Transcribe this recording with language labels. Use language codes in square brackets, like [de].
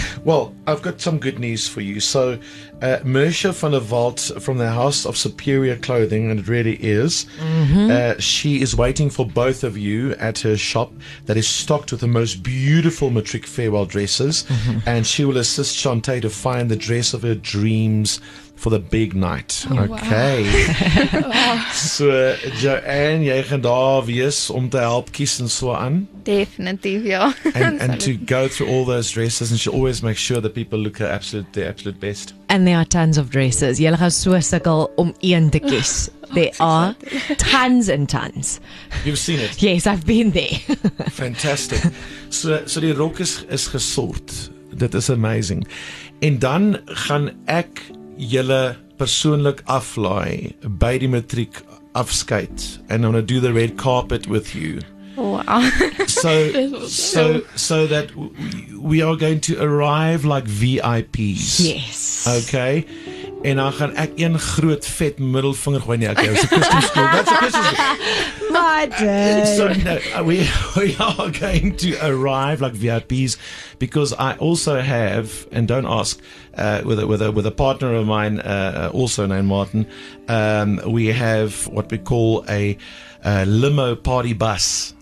[en] Well, I've got some good news for you. So, Mersha van der Walt from the House of Superior Clothing, and it really is, she is waiting for both of you at her shop that is stocked with the most beautiful matric farewell dresses, and she will assist Chante to find the dress of her dreams for the big night. Okay. Wow. [af] So, Joanne, jy gaan daar wees om te help kies en so aan. Definitief, ja. [en] And to go through all those dresses, and she always makes sure that people look her absolute, their absolute best. And there are tons of dresses. [af] Jy gaan so sukkel om een te kies. [en] There are tons and tons. You've seen it? Yes, I've been there. [af] Fantastic. So die rok is gesort. Dit is amazing. En dan gaan ek julle persoonlik aflaai by die matriek afskeid, [en] and I'm going to do the red carpet with you. Wow. So that we are going to arrive like VIPs. Yes. Okay. [af] En dan gaan ek een groot vet middelvinger gooi. [en] Nee, okay, it's a Christian school. That's a Christian school. My dad. We are going to arrive like VIPs, because I also have, and don't ask, with a partner of mine, also named Martin, we have what we call a limo party bus.